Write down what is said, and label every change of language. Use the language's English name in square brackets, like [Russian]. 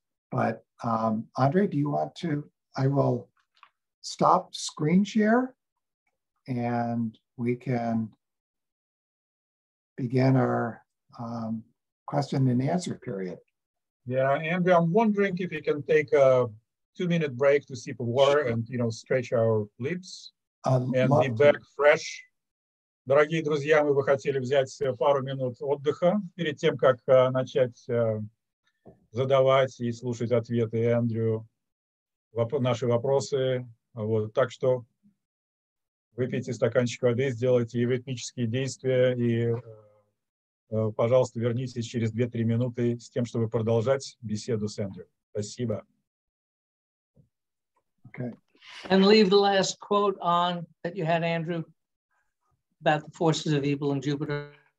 [English] But Andre, do you want to? I will stop screen share and we can begin our question and answer period. Yeah, and I'm wondering if you can take a 2-minute break to sip water and, you know, stretch our lips and be back fresh. [Russian] Дорогие друзья, мы бы хотели взять пару минут отдыха перед тем, как начать задавать и слушать ответы Эндрю, наши вопросы. Вот, так что выпейте стаканчик воды, сделайте ритмические действия и, пожалуйста, вернитесь через 2-3 минуты с тем, чтобы продолжать беседу с Эндрю. Спасибо. [English] Okay. And leave the last quote on that you had, Andrew, about the forces of evil in Jupiter.